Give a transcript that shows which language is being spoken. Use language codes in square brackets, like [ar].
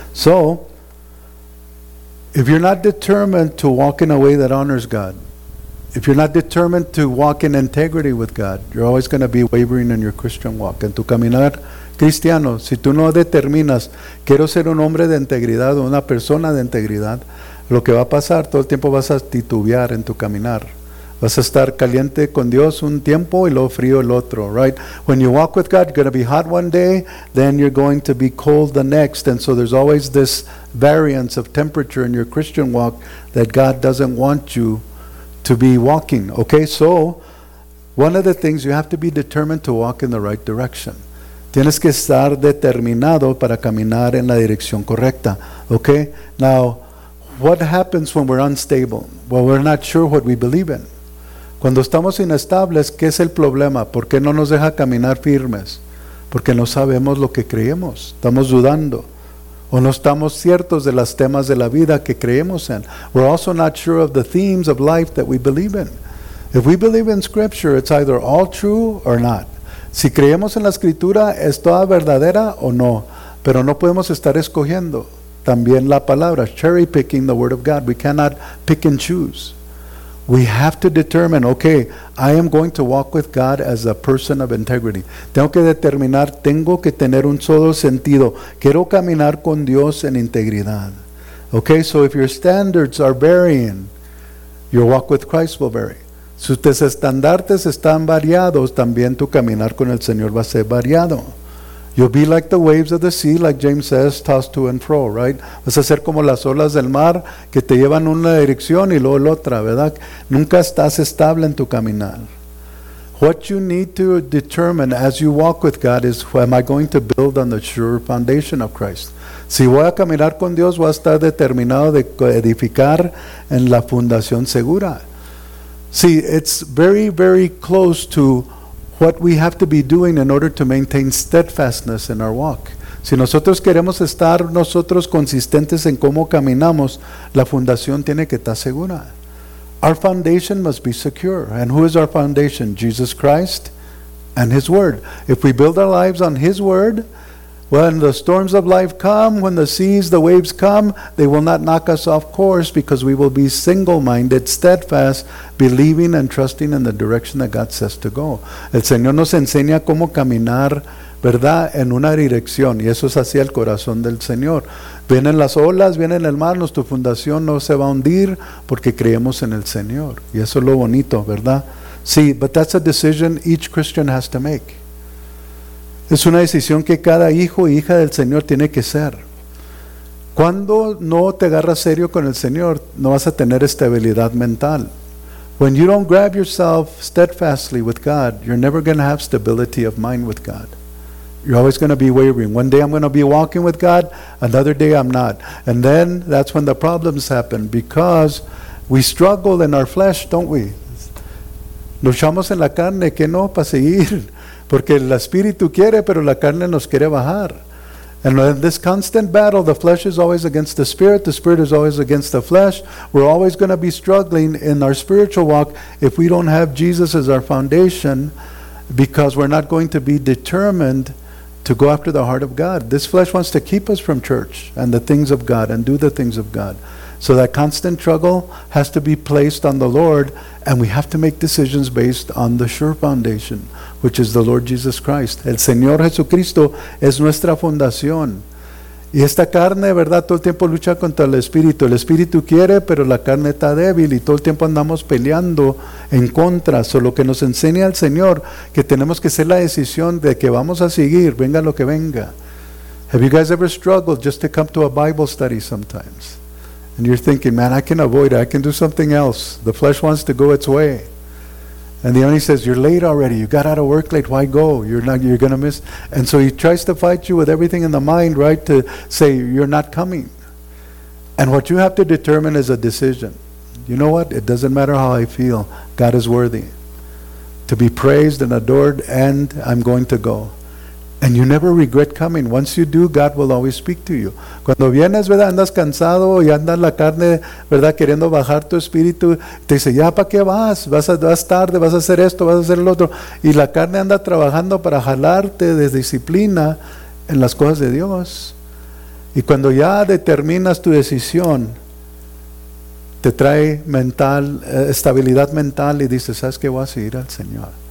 [en] So, if you're not determined to walk in a way that honors God, if you're not determined to walk in integrity with God, you're always going to be wavering in your Christian walk. [es] En tu caminar cristiano, si tú no determinas, quiero ser un hombre de integridad o una persona de integridad, lo que va a pasar, todo el tiempo vas a titubear en tu caminar. Vas a estar caliente con Dios un tiempo y luego frío el otro, [en] right? When you walk with God, you're going to be hot one day, then you're going to be cold the next. And so there's always this variance of temperature in your Christian walk that God doesn't want you to be walking, okay? So, one of the things, you have to be determined to walk in the right direction. [es] Tienes que estar determinado para caminar en la dirección correcta, okay? [en] Now, what happens when we're unstable? Well, we're not sure what we believe in. [es] Cuando estamos inestables, ¿qué es el problema? ¿Por qué no nos deja caminar firmes? Porque no sabemos lo que creemos. Estamos dudando. O no estamos ciertos de los temas de la vida que creemos en. [en] We're also not sure of the themes of life that we believe in. If we believe in Scripture, it's either all true or not. [es] Si creemos en la Escritura, ¿es toda verdadera o no? Pero no podemos estar escogiendo también la palabra. [en] Cherry picking the Word of God. We cannot pick and choose. We have to determine, okay, I am going to walk with God as a person of integrity. [es] Tengo que determinar, tengo que tener un solo sentido. Quiero caminar con Dios en integridad. [en] Okay, so if your standards are varying, your walk with Christ will vary. [es] Si tus estandartes están variados, también tu caminar con el Señor va a ser variado. [en] You'll be like the waves of the sea, like James says, tossed to and fro, right? [es] Vas a ser como las olas del mar que te llevan una dirección y luego la otra, ¿verdad? Nunca estás estable en tu caminar. [en] What you need to determine as you walk with God is, am I going to build on the sure foundation of Christ? [es] Si voy a caminar con Dios, voy a estar determinado de edificar en la fundación segura. [en] See, it's very, very close to what we have to be doing in order to maintain steadfastness in our walk. [es] Si nosotros queremos estar nosotros consistentes en cómo caminamos, la fundación tiene que estar segura. [en] Our foundation must be secure. And who is our foundation? Jesus Christ and His Word. If we build our lives on His Word, when the storms of life come, when the seas, the waves come, they will not knock us off course because we will be single-minded, steadfast, believing and trusting in the direction that God says to go. [es] El Señor nos enseña cómo caminar, ¿verdad?, en una dirección, y eso es hacia el corazón del Señor. Vienen las olas, vienen el mar, nuestra fundación no se va a hundir porque creemos en el Señor. Y eso es lo bonito, ¿verdad? Sí, [en] but that's a decision each Christian has to make. [es] Es una decisión que cada hijo e hija del Señor tiene que ser. Cuando no te agarras serio con el Señor, no vas a tener estabilidad mental. [en] When you don't grab yourself steadfastly with God, you're never going to have stability of mind with God. You're always going to be wavering. One day I'm going to be walking with God, another day I'm not. And then that's when the problems happen, because we struggle in our flesh, don't we? [es] Luchamos en la carne, que no, para seguir. Porque el espíritu quiere, pero la carne nos quiere bajar. [en] And in this constant battle, the flesh is always against the spirit is always against the flesh. We're always going to be struggling in our spiritual walk if we don't have Jesus as our foundation, because we're not going to be determined to go after the heart of God. This flesh wants to keep us from church and the things of God and do the things of God. So that constant struggle has to be placed on the Lord, and we have to make decisions based on the sure foundation, which is the Lord Jesus Christ. [es] El Señor Jesucristo es nuestra fundación. Y esta carne, ¿verdad?, todo el tiempo lucha contra el Espíritu. El Espíritu quiere, pero la carne está débil, y todo el tiempo andamos peleando en contra. Solo que nos enseña el Señor que tenemos que hacer la decisión de que vamos a seguir, venga lo que venga. [en] Have you guys ever struggled just to come to a Bible study sometimes? And you're thinking, man, I can avoid it. I can do something else. The flesh wants to go its way. And the enemy says, you're late already. You got out of work late. Why go? You're going to miss. And so he tries to fight you with everything in the mind, right, to say you're not coming. And what you have to determine is a decision. You know what? It doesn't matter how I feel. God is worthy to be praised and adored, and I'm going to go. And you never regret coming. Once you do, God will always speak to you. [es] Cuando vienes, ¿verdad?, andas cansado y andas la carne, ¿verdad?, queriendo bajar tu espíritu. Te dice, ya, ¿para qué vas? Vas tarde, vas a hacer esto, vas a hacer el otro. Y la carne anda trabajando para jalarte de disciplina en las cosas de Dios. Y cuando ya determinas tu decisión, te trae mental, estabilidad mental, y dices, ¿sabes qué? Voy a seguir al Señor.